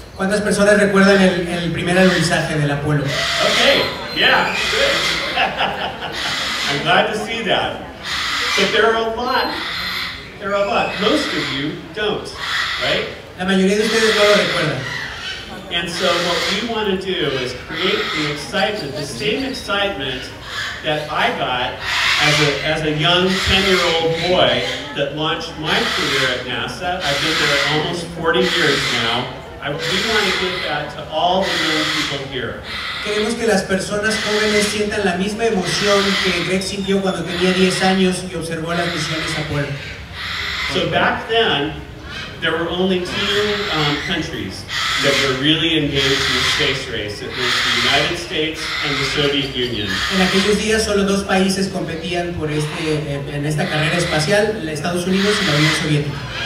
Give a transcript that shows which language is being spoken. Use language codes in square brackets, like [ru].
[es] ¿Cuántas personas recuerdan el primer alunizaje del Apolo? [en] Okay, yeah, good. I'm glad to see that. But there are a lot. Most of you don't, right? [es] La mayoría de ustedes no lo recuerdan. [en] And so what we want to do is create the excitement, the same excitement that I got as a young 10-year-old boy that launched my career at NASA. I've been there almost 40 years now. We want to give that to all the young people here. [es] Queremos que las personas jóvenes sientan la misma emoción que Greg sintió cuando tenía 10 años y observó las misiones Apolo. [en] So back then, there were only two countries that were really engaged in the space race. It was the United States and the Soviet Union. [es] En aquellos días solo dos países competían por esta carrera espacial, Estados Unidos y la Unión Soviética.